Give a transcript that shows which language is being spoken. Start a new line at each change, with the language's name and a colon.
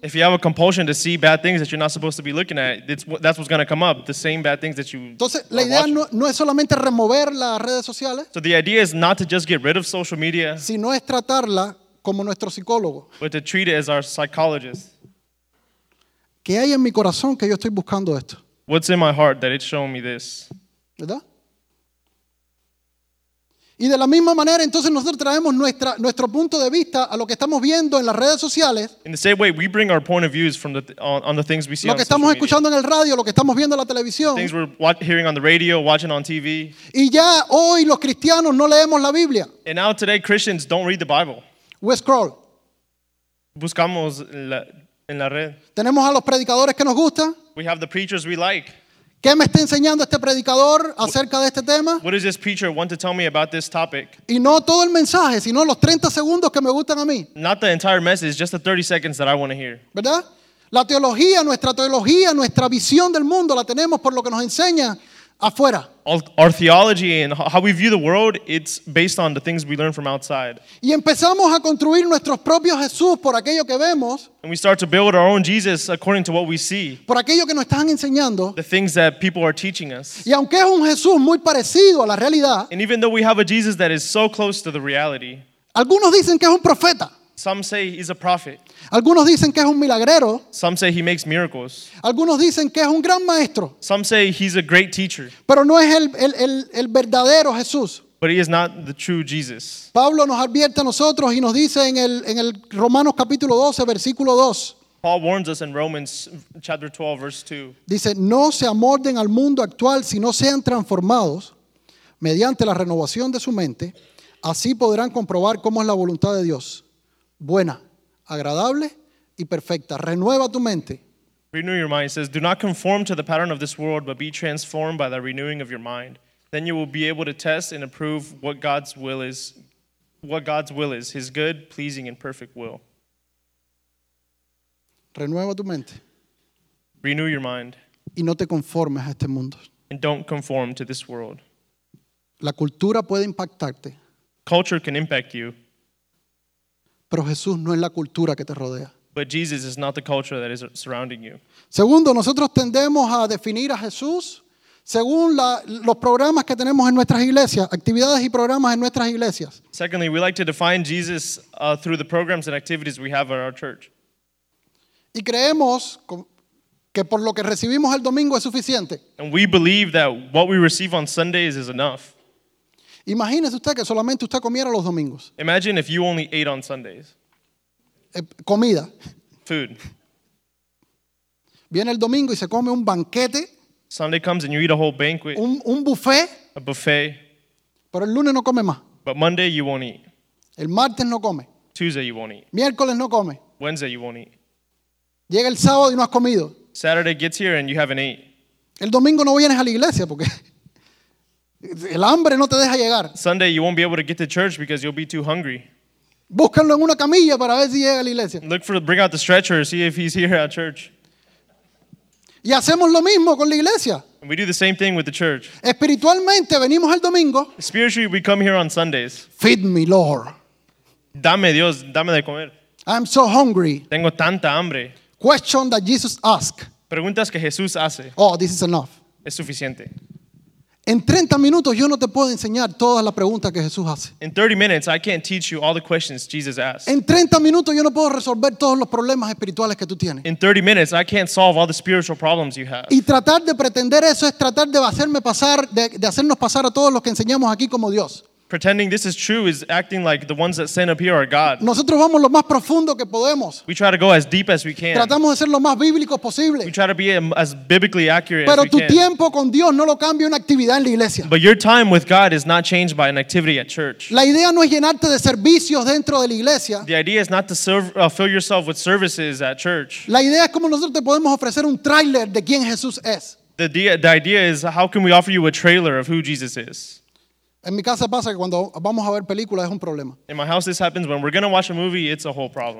English: If you have a compulsion to see bad things that you're not supposed to be looking at, that's what's going to come up, the same bad things that you
Spanish: Entonces, la idea no es solamente remover las redes sociales.
English: So the idea is not to just get rid of social media.
Spanish: Sino es tratarla como nuestro psicólogo.
English: But to treat it as our psychologist.
Spanish: ¿Qué hay en mi corazón que yo estoy buscando esto?
English: What's in my heart that it's showing me this?
Spanish: ¿Verdad? Y de la misma manera, entonces nosotros traemos nuestro punto de vista a lo que estamos viendo en las redes sociales.
English: In the same way, we bring our point of views from on the things we see.
Spanish: Lo que estamos escuchando
English: media.
Spanish: En el radio, lo que estamos viendo en la televisión.
English: Things we're hearing on the radio, watching on TV.
Spanish: Y ya hoy los cristianos no leemos la Biblia.
English: And now today Christians don't read the Bible. We scroll.
Spanish: Buscamos en la red. Tenemos a los predicadores que nos gustan.
English: We have the preachers we like.
Spanish: ¿Qué me está enseñando este predicador acerca de este tema?
English: What does this preacher want to tell me about this topic?
Spanish: Y no todo el mensaje, sino los 30 segundos que me gustan a mí.
English: Not the entire message, just the 30 seconds that I want to hear.
Spanish: ¿Verdad? La teología, nuestra teología, nuestra visión del mundo la tenemos por lo que nos enseña afuera.
English: Our theology and how we view the world, it's based on the things we learn from outside.
Spanish: Y empezamos a construir nuestros propios Jesús por aquello que vemos.
English: And we start to build our own Jesus according to what we see.
Spanish: Por aquello que nos están enseñando.
English: The things that people are teaching us.
Spanish: Y aunque es un Jesús muy parecido a la realidad.
English: And even though we have a Jesus that is so close to the reality.
Spanish: Algunos dicen que es un profeta.
English: Some say he's a prophet.
Spanish: Algunos dicen que es un milagrero.
English: Some say he makes miracles.
Spanish: Algunos dicen que es un gran maestro.
English: Some say he's a great teacher.
Spanish: Pero no es el verdadero Jesús.
English: But he is not the true Jesus.
Spanish: Pablo nos advierte a nosotros y nos dice en el Romanos capítulo 12, versículo 2.
English: Paul warns us in Romans chapter 12, verse 2.
Spanish: Dice, no se amolden al mundo actual, sino sean transformados mediante la renovación de su mente. Así podrán comprobar cómo es la voluntad de Dios. Buena, agradable, y perfecta. Renueva tu mente.
English: Renew your mind. It says, do not conform to the pattern of this world, but be transformed by the renewing of your mind. Then you will be able to test and approve what God's will is, his good, pleasing, and perfect will.
Spanish: Renueva tu mente.
English: Renew your mind.
Spanish: Y no te conformes a este mundo.
English: And don't conform to this world.
Spanish: La cultura puede impactarte.
English: Culture can impact you.
Spanish: Pero Jesús no es la cultura que te rodea.
English: But Jesus is not the culture that is surrounding you.
Spanish: Segundo, nosotros tendemos a definir a Jesús según los programas que tenemos en nuestras iglesias, actividades y programas en nuestras iglesias.
English: Secondly, we like to define Jesus through the programs and activities we have at our church.
Spanish: Y creemos que por lo que recibimos el domingo es suficiente.
English: And we believe that what we receive on Sundays is enough.
Spanish: Imagínese usted que solamente usted comiera los domingos.
English: Imagine if you only ate on Sundays.
Spanish: Comida.
English: Food.
Spanish: Viene el domingo y se come un banquete.
English: Sunday comes and you eat a whole banquet.
Spanish: Un buffet.
English: A buffet.
Spanish: Pero el lunes no come más.
English: But Monday you won't eat.
Spanish: El martes no come.
English: Tuesday you won't eat.
Spanish: Miércoles no come.
English: Wednesday you won't eat.
Spanish: Llega el sábado y no has comido.
English: Saturday gets here and you haven't eaten.
Spanish: El domingo no vienes a la iglesia porque el hambre no te deja llegar.
English: Sunday you won't be able to get to church because you'll be too hungry.
Spanish: Búscalo en una camilla para ver si llega a la iglesia.
English: Bring out the stretcher, see if he's here at church.
Spanish: Y hacemos lo mismo con la iglesia.
English: And we do the same thing with the church.
Spanish: Espiritualmente venimos el domingo.
English: Spiritually we come here on Sundays. Feed me, Lord.
Spanish: Dame Dios, dame de comer.
English: I'm so hungry.
Spanish: Tengo tanta hambre.
English: Question that Jesus asks.
Spanish: Preguntas que Jesús hace.
English: Oh, this is enough.
Spanish: Es suficiente. En 30 minutos yo no te puedo enseñar todas las preguntas que Jesús hace.
English: In 30 minutes I can't teach you all the questions Jesus asked.
Spanish: En 30 minutos yo no puedo resolver todos los problemas espirituales que tú tienes.
English: In 30 minutes I can't solve all the spiritual problems you have.
Spanish: Y tratar de pretender eso es tratar de hacerme pasar de hacernos pasar a todos los que enseñamos aquí como Dios.
English: Pretending this is true is acting like the ones that stand up here are God.
Spanish: Nosotros vamos lo más profundo que podemos.
English: We try to go as deep as we can.
Spanish: Tratamos de ser lo más bíblico posible.
English: We try to be as biblically accurate
Spanish: Pero
English: as we can.
Spanish: Pero tu tiempo con Dios no lo cambia una actividad en la iglesia.
English: But your time with God is not changed by an activity at church.
Spanish: La idea no es llenarte de servicios dentro de la iglesia.
English: The idea is not to fill yourself with services at church.
Spanish: La idea es cómo nosotros te podemos ofrecer un tráiler de quién Jesús es.
English: The idea is how can we offer you a trailer of who Jesus is.
Spanish: En mi casa pasa que cuando vamos a ver películas es un problema.
English: In my house this happens when we're going to watch a movie, it's a whole problem.